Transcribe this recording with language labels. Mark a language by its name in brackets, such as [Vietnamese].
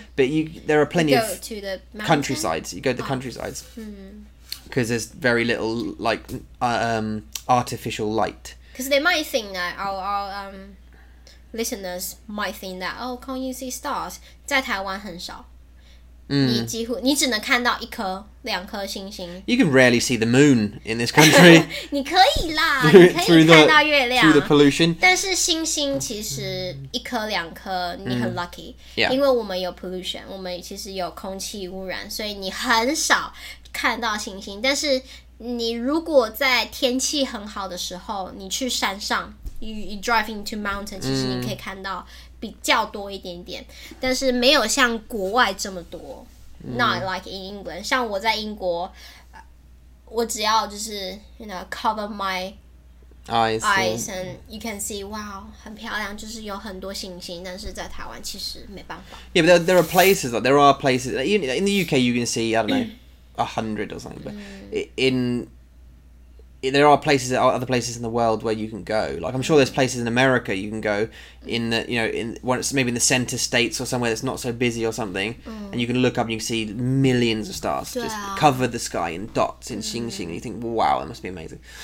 [English] But there are plenty you of countrysides. You go to the countrysides because there's very little like artificial light. Because they might think that our listeners might think that, oh, can't you see stars? [Chinese] 在台湾很少。你几乎你只能看到一颗两颗星星。 [English] You can rarely see the moon in this country. [Chinese] 你可以啦，你可以看到月亮。 [English] Through the pollution. [Chinese] 但是星星其实一颗两颗，你很 lucky。 [English] Yeah. [Chinese] 因为我们有 pollution， 我们其实有空气污染，所以你很少看到星星。但是你如果在天气很好的时候，你去山上 ， you drive into mountain，其实你可以看到。比较多一点点，但是没有像国外这么多。 [English] Not like in England. 像我在英国，我只要就是 you know cover my eyes [Chinese] and you can see wow 很漂亮，就是有很多星星。但是在台湾其实没办法。 [English] Yeah, but there are places. Like, there are places. In the UK, you can see I don't know 100 or something. But there are places, other places in the world where you can go. Like, I'm sure there's places in America you can go in the, you know, in when it's maybe in the center states or somewhere that's not so busy or something, and you can look up and you can see millions of stars just cover the sky in dots, in 星星, and you think, wow, that must be amazing.